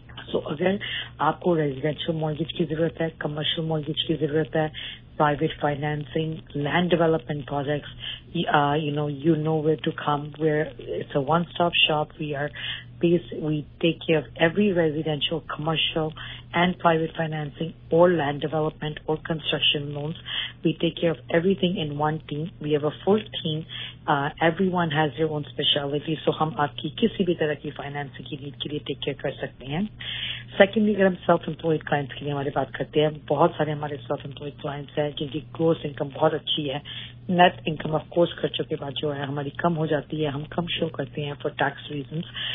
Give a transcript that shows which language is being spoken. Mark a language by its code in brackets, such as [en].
[ur] سو اگر آپ کو ریزیڈینشیل مارگیج کی ضرورت ہے, کمرشل مارگیج کی ضرورت ہے, private financing, land development projects, [en] You know where to come, where it's a one stop shop. We are base we take care of every residential, commercial and private financing اور land development اور construction loans. We take care of everything in one team. We have a full team. Everyone has your own specialty. [ur] سو ہم آپ کی کسی بھی طرح کی financing کی نیڈ کے لیے ٹیک کیئر کر سکتے ہیں. سیکنڈلی اگر ہم سیلف امپلائڈ کلائنٹس کے لیے ہماری بات کرتے ہیں, بہت سارے ہمارے سیلف امپلائڈ کلائنٹس ہیں ہے جنکہ گروس انکم بہت اچھی ہے. نیٹ انکم آف کورس خرچوں کے بعد جو ہے ہماری کم ہو جاتی ہے, ہم کم شو کرتے ہیں [en] For tax reasons.